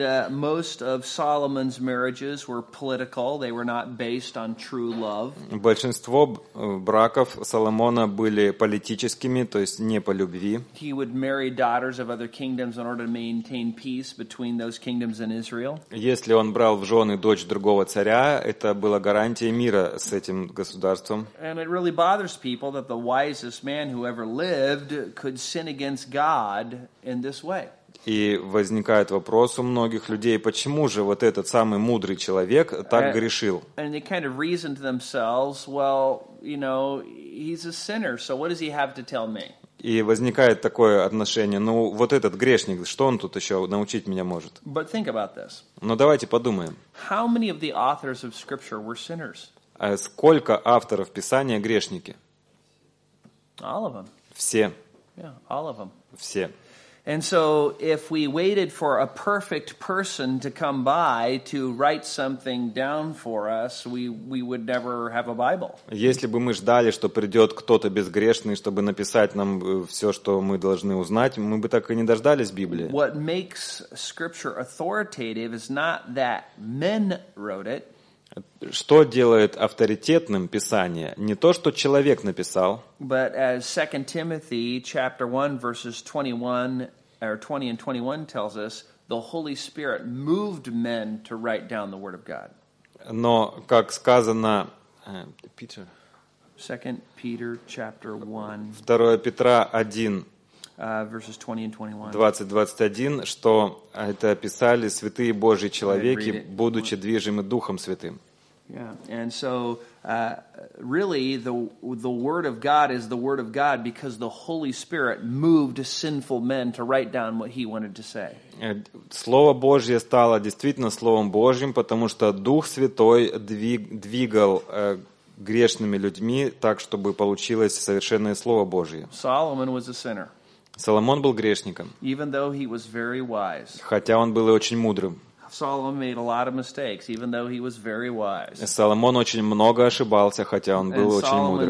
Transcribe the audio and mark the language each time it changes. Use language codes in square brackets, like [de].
[en] Most of Solomon's marriages were political. They were not based on true love. [ru] Большинство браков Соломона были политическими, то есть не по любви. [en] He would marry daughters of other kingdoms in order to maintain peace between those kingdoms and Israel. [ru] Если он брал в жены дочь другого царя, это была гарантия мира с этим государством. [en] And it really bothers people that the wisest man who ever lived could sin against God in this way. [ru] И возникает вопрос у многих людей, почему же вот этот самый мудрый человек так грешил? [en] And they kind of reason to themselves, well, you know, he's a sinner, so what does he have to tell me? [ru] И возникает такое отношение, ну вот этот грешник, что он тут еще научить меня может? [en] But think about this. [ru] Но давайте подумаем. [en] How many of the authors of Scripture were sinners? [ru] Сколько авторов Писания грешники? [en] All of them. [ru] Все. [en] Yeah, all of them. [ru] Все. [en] And so, if we waited for a perfect person to come by to write something down for us, we would never have a Bible. [ru] Если бы мы ждали, что придет кто-то безгрешный, чтобы написать нам все, что мы должны узнать, мы бы так и не дождались Библии. [en] What makes Scripture authoritative is not that men wrote it. [ru] Что делает авторитетным Писание? Не то, что человек написал. [en] But as 2 Timothy chapter 1, verses 21, or 20 and 21 tells us, the Holy Spirit moved men to write down the Word of God. [ru] Но, как сказано, Peter. [en] 2 Peter chapter 1. [ru] 2 Петра 1. [en] Verses 20 and 21. [ru] Что это писали святые Божьи человеки, будучи движимы Духом Святым. [en] Yeah, and so really the word of God is the word of God because the Holy Spirit moved sinful men to write down what he wanted to say. [ru] Слово Божье стало действительно Словом Божьим, потому что Дух Святой двигал грешными людьми так, чтобы получилось совершенное Слово Божье. [en] Solomon was a sinner. [ru] Соломон был грешником. [en] Even though he was very wise. [ru] Хотя он был и очень мудрым. [en] Solomon made a lot of mistakes, even though he was very wise. [ru] Соломон очень много ошибался, хотя он был очень мудрым.